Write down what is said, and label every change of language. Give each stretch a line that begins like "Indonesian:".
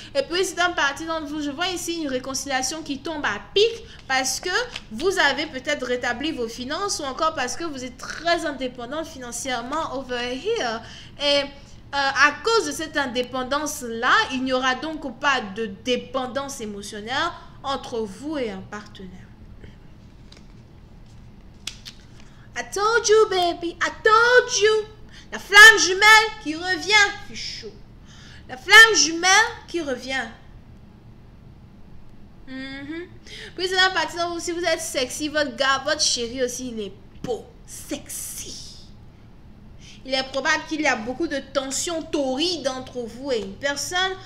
French: Et puis, c'est un parti d'entre vous. Je vois ici une réconciliation qui tombe à pic parce que vous avez peut-être rétabli vos finances ou encore parce que vous êtes très indépendant financièrement
English: over here.
French: Et à cause de cette indépendance-là, il n'y aura donc pas de dépendance émotionnelle entre vous et un partenaire.
English: I told you, baby, I told you.
French: La flamme jumelle qui revient. C'est chaud. La flamme jumelle qui revient. Puis c'est la partie dont vous, si vous êtes sexy, votre gars, votre chéri aussi, il est beau, sexy. Il est probable qu'il y a beaucoup de tensions torrides entre vous et une personne.